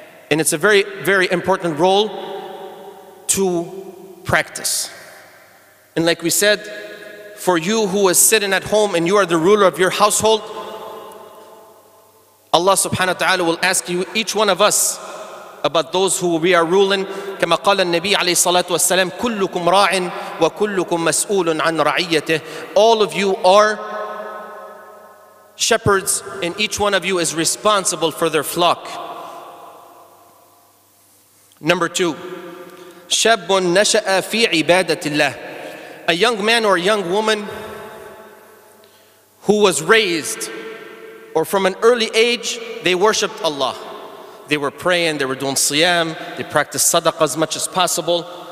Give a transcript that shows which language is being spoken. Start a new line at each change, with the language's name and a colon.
English: And it's a very, very important role to practice. And like we said, for you who is sitting at home and you are the ruler of your household, Allah subhanahu wa ta'ala will ask you, each one of us, about those who we are ruling.
Arabic: كما قال النبي عليه الصلاة والسلام كلكم راع وكلكم مسؤول عن رعيته.
English: All of you are shepherds and each one of you is responsible for their flock. Number 2,
Arabic: شاب نشأ في عبادة الله.
English: A young man or a young woman who was raised, or from an early age, they worshipped Allah. They were praying, they were doing siyam, they practiced sadaqah as much as possible.